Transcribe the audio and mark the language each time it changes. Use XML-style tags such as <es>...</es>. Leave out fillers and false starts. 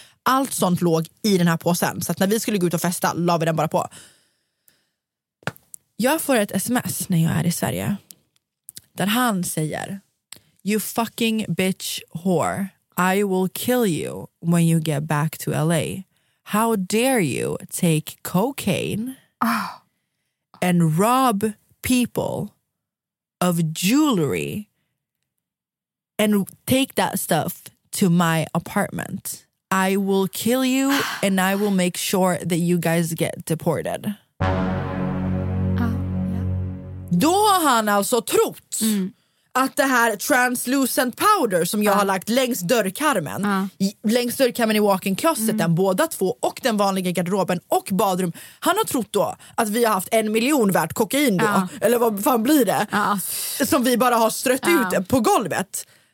<sv>Allt sånt låg i den här påsen, så att när vi skulle gå ut och festa la vi den bara på. Jag får ett sms när jag är i Sverige där han säger,</sv> <en>you fucking bitch whore, I will kill you when you get back to LA. How dare you take cocaine and rob people of jewelry and take that stuff to my apartment. I will kill you and I will make sure that you guys get deported.</en> <sv>Då har han alltså trott att det här</sv> <en>translucent powder</en> <sv>som jag har lagt längs dörrkarmen, längs dörrkarmen i</sv> <en>walk-in closet,</en> <sv>den båda två och den vanliga garderoben och badrum, han har trott då att vi har haft 1 miljon värt kokain då, eller vad fan blir det, som vi bara har strött ut på golvet.</sv>